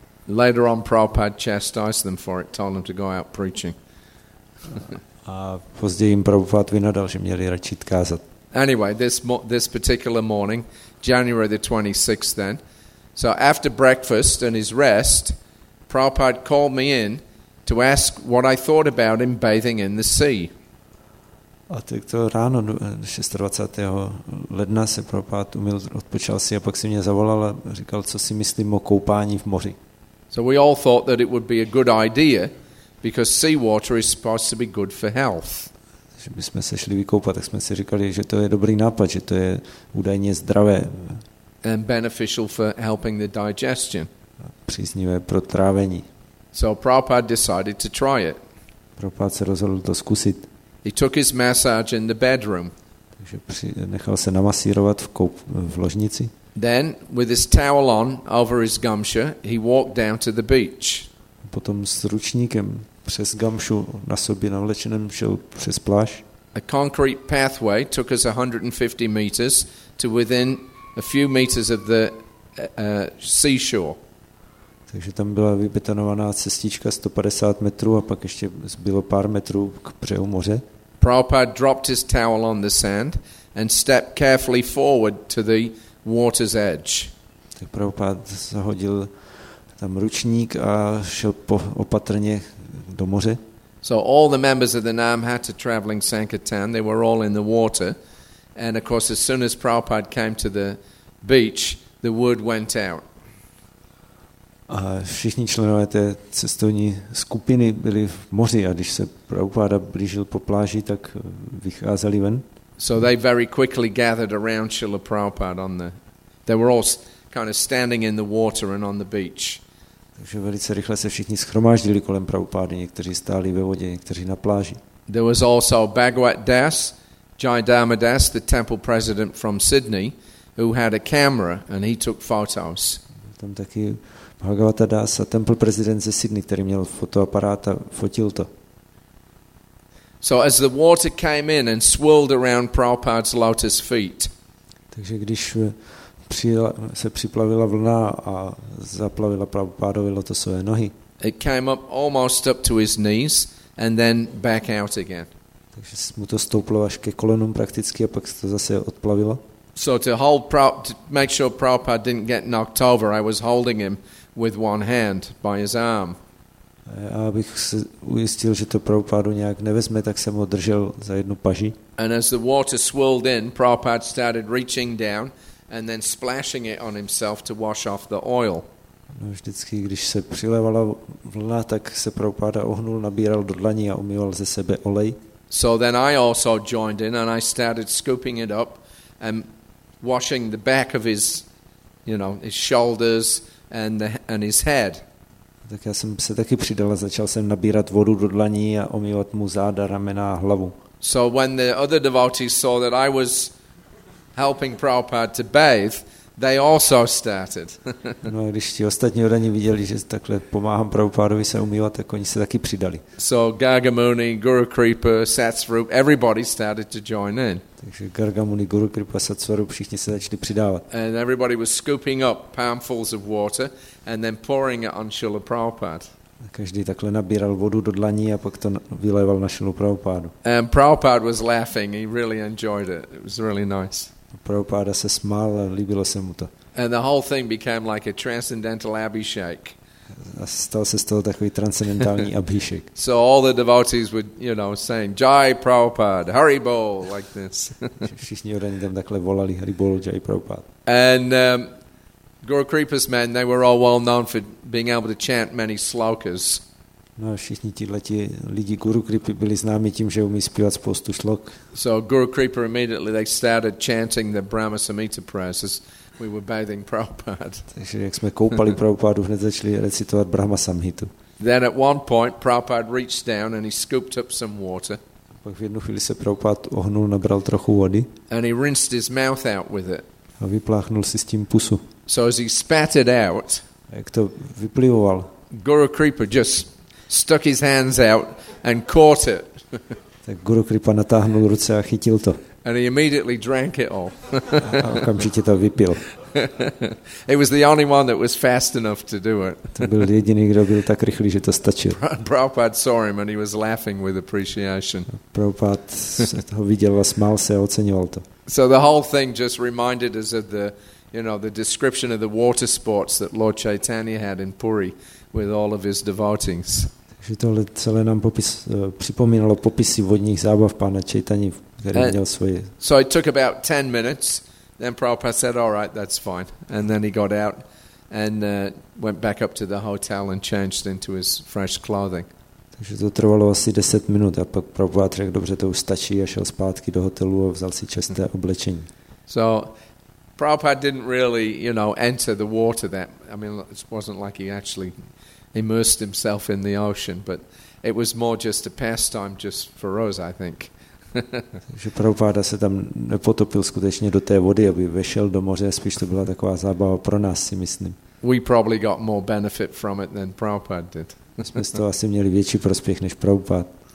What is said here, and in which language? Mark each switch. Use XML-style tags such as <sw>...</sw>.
<en>Later on Prabhupada chastised them for it, told them to go out preaching.</en> <cs>A později jim Prabhupada vynadal, že měli radši kázat.</cs> <en>Anyway, this particular morning, January the 26th then, so after breakfast and his rest, Prabhupada called me in to ask what I thought about him bathing in the sea.</en> <cs>A tak to ráno 26. ledna se Prabhupada umyl, odpočal si a pak si mě zavolal a říkal, co si myslím o koupání v moři.</cs> <en>So we all thought that it would be a good idea, because seawater is supposed to be good for health.</en> <cs>Že bychom se šli vykoupat, tak jsme si říkali, že to je dobrý nápad, že to je údajně zdravé.</cs> <en>And beneficial for helping the digestion.</en> <cs>Příznivé pro trávení.</cs> <en>So Prabhupada decided to try it.</en> <cs>Prabhupada se rozhodl to zkusit.</cs> <en>He took his massage in the bedroom.</en> <cs>Takže nechal se namasírovat v ložnici.</cs> <en>Then with his towel on over his gamsha, he walked down to the beach.</en> <cs>Potom s ručníkem přes gamšu na sobě navlečeném šel přes pláž.</cs> <en>A concrete pathway took us 150 meters to within a few meters of the seashore.</en> <cs>Takže tam byla vybetonovaná cestička 150 metrů a pak ještě zbylo pár metrů k břehu moře.</cs> <en>Prabhupada dropped his towel on the sand and stepped carefully forward to the water's edge.</en> <cs>Tak Prabhupada zahodil tam ručník a šel opatrně do moře.</cs> <en>So all the members of the Namhata traveling Sankirtan, they were all in the water, and of course as soon as Prabhupada came to the beach, the word went out.</en> <cs>A všichni členové té cestovní skupiny byli v moři a když se Prabhupada blížil po pláži, tak vycházeli ven.</cs> <en>So they very quickly gathered around Srila Prabhupada on the, they were all kind of standing in the water and on the beach.</en> <cs>Takže velice rychle se všichni shromáždili kolem Prabhupády, někteří stáli ve vodě, někteří na pláži.</cs> <en>There was also Bhagwat Das, Jayadharma Das, the temple president from Sydney, who had a camera and he took photos.</en> <cs>Tam taky Bhagwat Das,</cs> <en>temple president</en> <cs>ze Sydney, který měl fotoaparát a fotil to.</cs> <en>So as the water came in and swirled around Prabhupada's lotus feet.</en> <cs>Takže když se připlavila vlna a zaplavila Prabhupádovi lotosové nohy.</cs> <en>It came up almost up to his knees and then back out again.</en> <cs>Takže mu to stouplo až ke kolenům prakticky a pak se to zase odplavilo.</cs> <en>So to hold to make sure Prabhupada didn't get knocked over, I was holding him with one hand by his arm.</en> <cs>Já bych se ujistil, že to Prabhupádu nějak nevezme, tak jsem ho držel za jednu paži.</cs> <en>And as the water swirled in, Prabhupada started reaching down and then splashing it on himself to wash off the oil.</en> <cs>No, vždycky, když se přilévala vlna, tak se Prabhupada ohnul, nabíral do dlaní a umýval ze sebe olej.</cs> <en>So then I also joined in and I started scooping it up and washing the back of his, you know, his shoulders and the, and his head.</en> <cs>Tak já jsem se taky přidal a začal jsem nabírat vodu do dlaní a omývat mu záda, ramena a hlavu.</cs> <en>So when the other devotees saw that I was helping Prabhupada to bathe, they also started.</en> <cs>No a když ti ostatní odaní viděli, že takhle pomáhám Prabhupádovi se umývat, tak oni se taky přidali.</cs> <en>So Gargamuni, Guru Kripa, Satsvarup, everybody started to join in.</en> <cs>Takže Gargamuni, Guru Kripa, Satsvarup, všichni se začali přidávat.</cs> <en>And everybody was scooping up palmfuls of water and then pouring it on Srila Prabhupada.</en> <cs>Každý takhle nabíral vodu do dlaní a pak to vyléval na Srila Prabhupádu.</cs> <en>And Prabhupada was laughing, he really enjoyed it. It was really nice.</en> <cs>Prabhupada se smál a líbilo se mu to.</cs> <en>And the whole thing became like a transcendental abhishek.</en> <cs>A stal se z toho takový transcendentální abhishek.</cs> <en>So all the devotees would, you know, saying Jai Prabhupada, Hari Bol, like this.</en> <cs>Všichni odaní tam takhle volali Hari Bol, Jai Prabhupada.</cs> <en>And Guru Kripa's men, they were all well known for being able to chant many slokas.</en> <cs>No, všichni tihleti lidi Guru Kripy byli známi tím, že umí zpívat spoustu šlok.</cs> <en>So Guru Kripa immediately they started chanting the Brahma Samhita prayers as we were bathing Prabhupada.</en> <cs>Takže jak jsme koupali Prabhupádu, hned začali recitovat Brahma Samhitu.</cs> <en>Then at one point Prabhupada reached down and he scooped up some water.</en> <cs>Pak v jednu chvíli se Prabhupád ohnul, nabral trochu vody.</cs> <en>And he rinsed his mouth out with it.</en> <cs>A vypláchnul si s tím pusu.</cs> <en>So as he spat it out,</en> <cs>jak to vyplivoval,</cs> <en>Guru Kripa just stuck his hands out and caught it.</en> <cs>Tak Guru Kripa natáhnul ruce a chytil to.</cs> <en>And he immediately drank it all.</en> <cs>A okamžitě to vypil.</cs> <en>He was the only one that was fast enough to do it.</en> <cs>To byl jediný, kdo byl tak rychlý, že to stačil.</cs> <en>Prabhupada saw him and he was laughing with appreciation.</en> <cs>Prabhupada ho viděl a smál se a oceňoval to.</cs> <en>So the whole thing just reminded us of the, you know, the description of the water sports that Lord Chaitanya had in Puri with all of his devotees.</en> <cs>Takže tohle celé nám připomínalo popisy vodních zábav pána Chaitany, který měl svoje.</cs> <en>So it took about 10 minutes. Then Prabhupada said, "All right, that's fine." And then he got out and went back up to the hotel and changed into his fresh clothing.</en> <cs>Takže to trvalo asi 10 minut a pak Prabhupada řekl, dobře, to už stačí, a šel zpátky do hotelu a vzal si čisté oblečení.</cs> <en>So Prabhupada didn't really, you know, enter the water that, I mean, it wasn't like he actually immersed himself in the ocean, but it was more just a pastime just for us, I think.</en> <cs>Takže Prabhupada se tam nepotopil skutečně do té vody, aby vešel do moře, spíš to byla taková zábava pro nás, si myslím.</cs> <en>We probably got more benefit from it than Prabhupada did.</en> <cs>Jsme z toho asi měli větší prospěch než Prabhupada.</cs>